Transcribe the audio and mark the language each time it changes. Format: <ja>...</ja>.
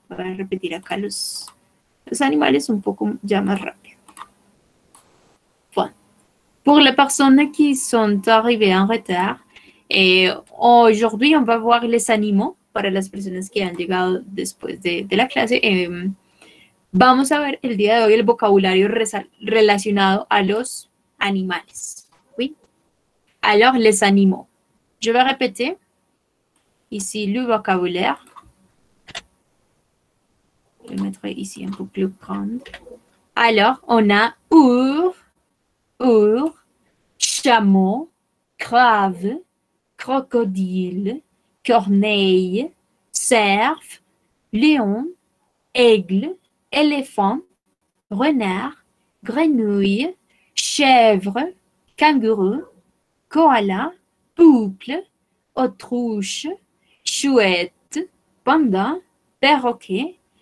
<fr>On va répéter la calos. Les animaux sont un peu déjà plus rapides. Pour les personnes qui sont arrivées en retard, et aujourd'hui, on va voir les animaux</fr> <es>para las personas que han llegado después de la clase. Vamos a ver el día de hoy el vocabulario relacionado a los animales.</es> <fr>¿Oui? Alors, les animaux. Je vais répéter ici le vocabulaire. Je vais mettre ici un peu plus grande. Alors, on a ours, ours, chameau, crave, crocodile, corneille, cerf, lion, aigle, éléphant, renard, grenouille, chèvre, kangourou, koala, boucle, autruche, chouette, panda, perroquet,</fr>